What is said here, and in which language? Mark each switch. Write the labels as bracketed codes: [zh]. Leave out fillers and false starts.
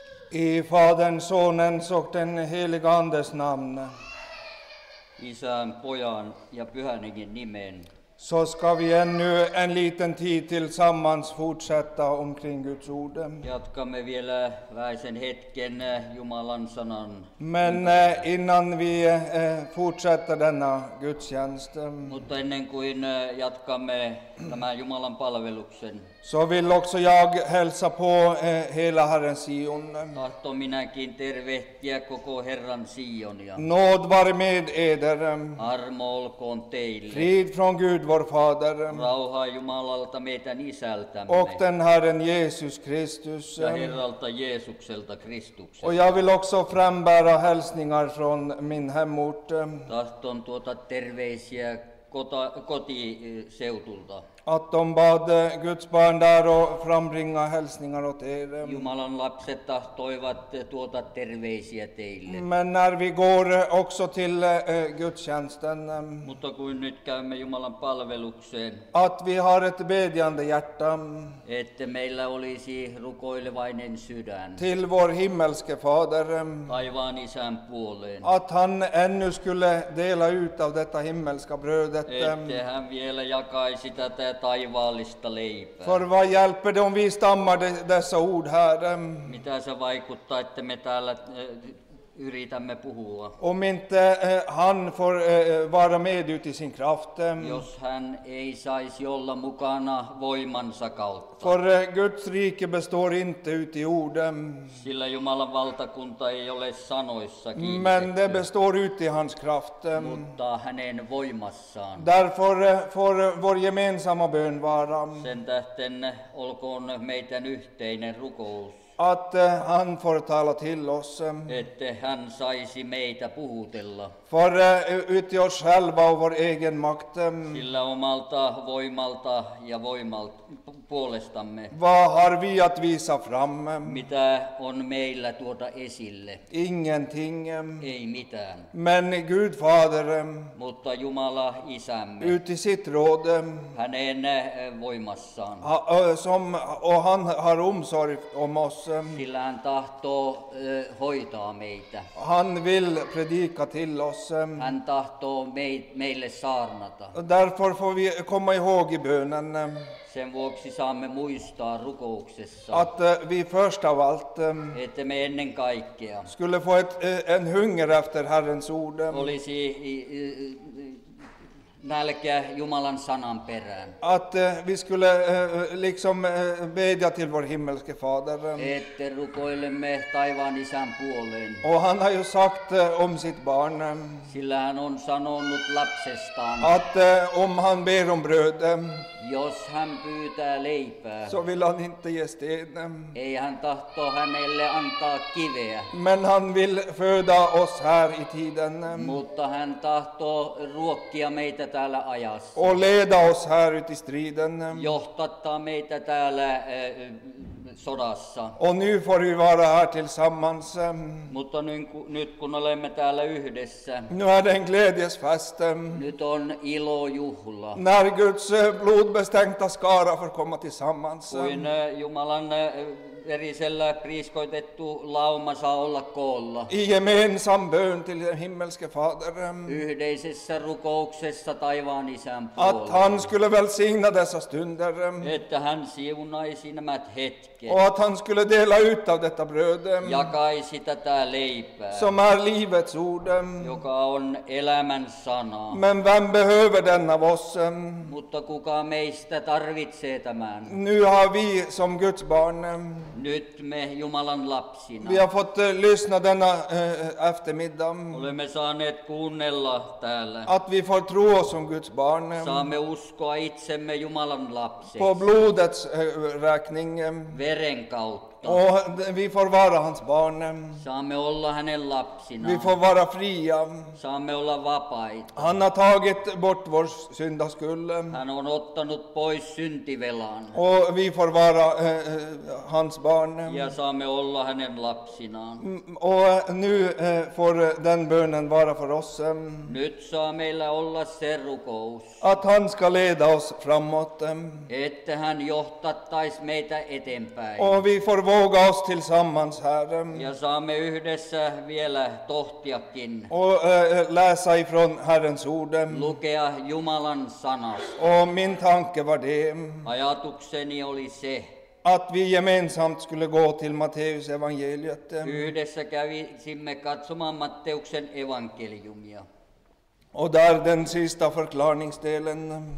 [sv] I Faderns, Sonens och den helige Andes namn. [fi] Isän, Pojan ja Pyhäningen nimen. [sv] Så ska vi ännu en liten tid tillsammans fortsätta omkring Guds ord. [fi] Jatkamme vielä väisen hetken Jumalan sanan. [sv] Men innan vi fortsätter denna gudstjänst. [fi] Mutta ennen kuin jatkamme tämän Jumalan palveluksen. [sv] Så vill också jag hälsa på hela Herren Sion. [fi] Tahto minäkin tervehtiä koko Herran Sionia. [sv] Nåd vare med eder. [fi] Armo olkoon teille. [sv] Frid från Gud vår Fader. [fi] Rauha Jumalalta meidän isältämme. [sv] Och den Herren Jesus Kristus. [fi] Ja Herralta Jeesukselta Kristukselta. [sv] Och jag vill också frambära hälsningar från min hemort. [fi] Tahton tuota terveisiä kotiseutulta. [sv] Att de bad Guds barn där och frambringa hälsningar åt er. [fi] Jumalan lapset tahtoivat tuota terveisiä teille. [sv] Men när vi går också till gudstjänsten. [fi] Mutta kun nyt käymme Jumalan palvelukseen. [sv] Att vi har ett bedjande hjärta. [fi] Että meillä olisi rukoilevainen sydän. [sv] Till vår himmelske fader. [fi] Taivaan isän puoleen. [sv] Att han ännu skulle dela ut av detta himmelska brödet. [fi] Että hän vielä jakaisi tätä taivaallista leipää. [sv] För vad hjälper det om vi stammar dessa ord här? [fi] Mitä se vaikuttaa, että me täällä yritämme puhua? [sv] Om inte han får vara med ut i sin kraft. [fi] Jos hän ei saisi olla mukana voimansa kautta. [sv] För Guds rike består inte ut i ord. [fi] Sillä Jumalan valtakunta ei ole sanoissa kiinnitetty. [sv] Men det består ut i hans kraft. [fi] Mutta hänen voimassaan. [sv] Därför får vår gemensamma bön vara. [fi] Sen tähten olkoon meidän yhteinen rukous. [sv] Att han får tala till oss. Att han [fi] saisi meitä puhutella. [sv] För ut i oss själva och vår egen makt. [fi] Sillä omalta voimalta ja voimalta puolestamme. [sv] Vad har vi att visa fram? [fi] Mitä on meillä tuota esille? [sv] Ingenting. [fi] Ei mitään. [sv] Men Gud Fader. [fi] Mutta Jumala isämme. [sv] Ut i sitt råd. [fi] Hänen voimassaan. [sv] Och han har omsorg om oss. [fi] Sillä hän tahtoo hoitaa meitä. [sv] Han vill predika till oss. [fi] Hän tahtoo meille saarnata. [sv] Därför får vi komma ihåg i bönen. [fi] Sen vuoksi saamme muistaa rukouksessa. [sv] Att vi först av allt. [fi] Että me ennen kaikkea. [sv] Skulle få en hunger efter Herrens ord. [fi] Olisi nälkä Jumalan sanan perään. [sv] Att vi skulle liksom bedja till vår himmelske fader. [fi] Että rukoilemme taivaan isän puoleen. [sv] Och han har ju sagt om sitt barn. [fi] Sillä hän on sanonut lapsestaan. [sv] Att om han ber om bröd. [fi] Jos hän pyytää leipää. [sv] Så vill han inte ge sten. [fi] Ei hän tahto hänelle antaa kiveä. [sv] Men han vill föda oss här i tiden. [fi] Mutta hän tahto ruokkia meitä täällä ajassa. [sv] Och leda oss här ut i striden. [fi] Johtattaa meitä täällä sodassa. [sv] Och nu får vi vara här tillsammans. [fi] Mutta nyt kun olemme täällä yhdessä. [sv] Nu är det en glädjesfest. [fi] Nyt on ilojuhla. [sv] När Guds blodbestänkta skara får komma tillsammans. [fi] Kuin Jumalan verisellä priiskoitettu lauma saa olla koolla. [sv] I gemensam bön till den himmelske fader. [fi] Yhdeisessä rukouksessa taivaan isän puolella. [sv] Att han skulle välsigna dessa stunder. [fi] Että hän siunaisi nämä hetket. [sv] Och att han skulle dela ut av detta bröd. [fi] Jakaisi tätä leipää. [sv] Som är livets ord. [fi] Joka on elämän sana. [sv] Men vem behöver denna voss? [fi] Mutta kuka meistä tarvitsee tämän? [sv] Nu har vi som Guds barn. [fi] Nyt me Jumalan lapsina. [sv] Vi har fått lyssna denna eftermiddag. [fi] Olemme saaneet kuunnella täällä. [sv] Att vi får tro oss om Guds barn. [fi] Saamme uskoa itsemme Jumalan lapsiksi. [sv] På blodets räkning. [fi] Veren kautta. [sv] Och vi får vara hans barn. [fi] Saamme olla hänen lapsina. [sv] Vi får vara fria. [fi] Saamme olla vapaita. [sv] Han har tagit bort vår syndaskuld. [fi] Hän on ottanut pois syntivelan. [sv] Och vi får vara hans barn. [fi] Ja saamme olla hänen lapsinaan. [sv] Och nu får den bönen vara för oss. [fi] Nyt saa meillä olla se rukous. [sv] Att han ska leda oss framåt. [fi] Että hän johtattaisi meitä eteenpäin. [sv] Och vi får våga oss tillsammans, Herre. [fi] Ja saamme yhdessä vielä tohtiakin. [sv] Och läsa ifrån Herrens ord. [fi] Lukea Jumalan sanasta. [sv] Och min tanke var det. [fi] Ajatukseni oli se. [sv] Att vi gemensamt skulle gå till Matteus evangeliet. [fi] Yhdessä kävisimme katsomaan Matteuksen evankeliumia. [sv] Och där den sista förklaringsdelen.